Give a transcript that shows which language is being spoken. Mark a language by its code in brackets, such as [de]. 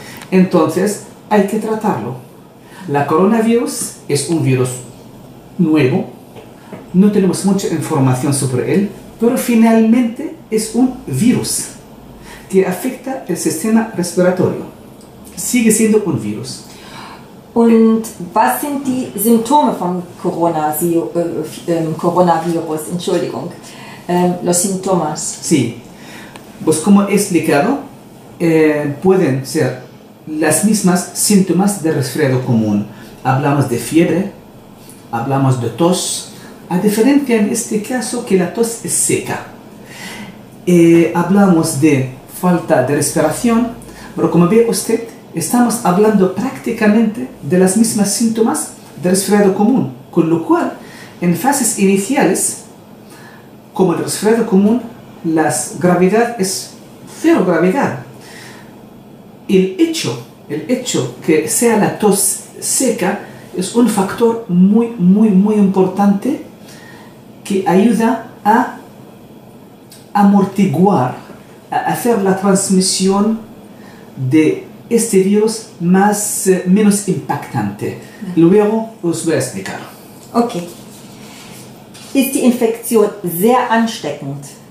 [es] Entonces hay que tratarlo. La coronavirus es un virus nuevo. No tenemos mucha información sobre él, pero finalmente es un virus que afecta el sistema respiratorio. Sigue siendo un virus. [de] Und was sind die Symptome von Coronavirus? Entschuldigung, [es] los síntomas. Sí, pues como he explicado, pueden ser las mismas síntomas de resfriado común. Hablamos de fiebre, hablamos de tos. A diferencia en este caso que la tos es seca. Hablamos de falta de respiración, pero como ve usted, estamos hablando prácticamente de las mismas síntomas de resfriado común, con lo cual, en fases iniciales, como el resfriado común, la gravedad es cero gravedad. El hecho que sea la tos seca es un factor muy, muy, muy importante que ayuda a amortiguar, a hacer la transmisión de este virus más, menos impactante. Luego os voy a explicar. Ok. [de] ¿Ist die Infektion sehr ansteckend?